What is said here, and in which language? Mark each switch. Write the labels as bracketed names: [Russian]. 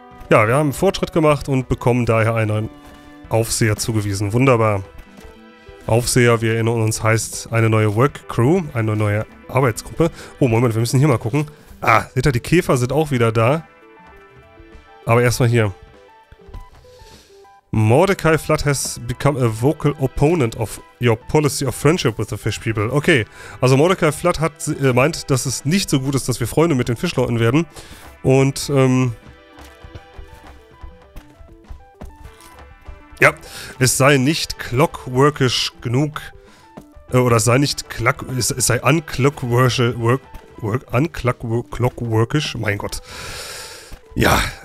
[German] Ja, wir haben Fortschritt gemacht und bekommen daher einen Aufseher zugewiesen. Wunderbar. Aufseher, wir erinnern uns, heißt eine neue Work Crew, eine neue Arbeitsgruppe. Oh, Moment, wir müssen hier mal gucken. Ah, seht ihr, die Käfer sind auch wieder da. Aber erstmal hier. [English] Mordecai Flood has become a vocal opponent of your policy of friendship with the fish people. [German] Okay, also Mordecai Flood hat, meint, dass es nicht so gut ist, dass wir Freunde mit den Fischleuten werden. Und, ja, es sei nicht clockworkisch genug. Es sei unclockworkisch, mein Gott. Ja.